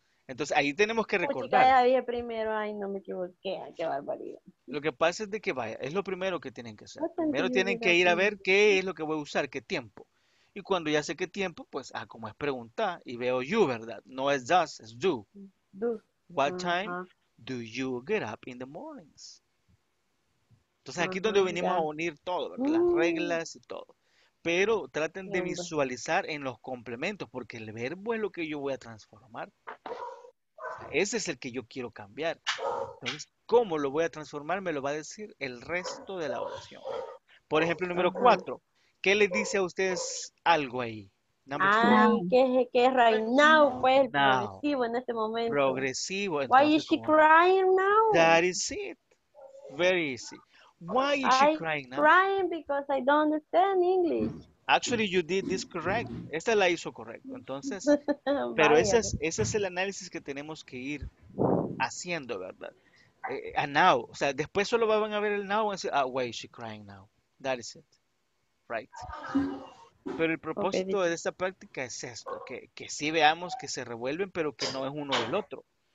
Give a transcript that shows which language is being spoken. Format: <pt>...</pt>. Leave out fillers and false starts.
<es>Entonces, ahí tenemos que recordar. Oye, ya dije primero, ay, no me equivoqué, qué barbaridad. Lo que pasa es de que vaya, es lo primero que tienen que hacer. Primero tienen que ir a ver qué es lo que voy a usar, qué tiempo. Y cuando ya sé qué tiempo, pues, ah, como es preguntar, y veo you, ¿verdad? No es does, es do.</es> <en>Do. What time do you get up in the mornings?</en> <es>Entonces, aquí es donde venimos a unir todo, ¿verdad? Las reglas y todo. Pero traten de visualizar en los complementos, porque el verbo es lo que yo voy a transformar. Ese es el que yo quiero cambiar. Entonces, ¿cómo lo voy a transformar? Me lo va a decir el resto de la oración. Por ejemplo, número 4. ¿Qué les dice a ustedes algo ahí? Que</es> <en>right now,</en> <es>pues, now. Progresivo en este momento. Progresivo. Entonces,</es> <en>why is she crying now? That is it. Very easy. Why is she crying now? Crying because I don't understand English. Actually, you did this correct.</en> <es>Esta la hizo correcto. Entonces, pero ese es el análisis que tenemos que ir haciendo, ¿verdad?</es> <en>And now,</en> <es>o sea, después solo van a ver el now y van a decir, ah,</es> <en>why is she crying now? That is it. Right.</en> <es>Pero el propósito de esta práctica es esto, que sí veamos que se revuelven, pero que no es uno o el otro.</es>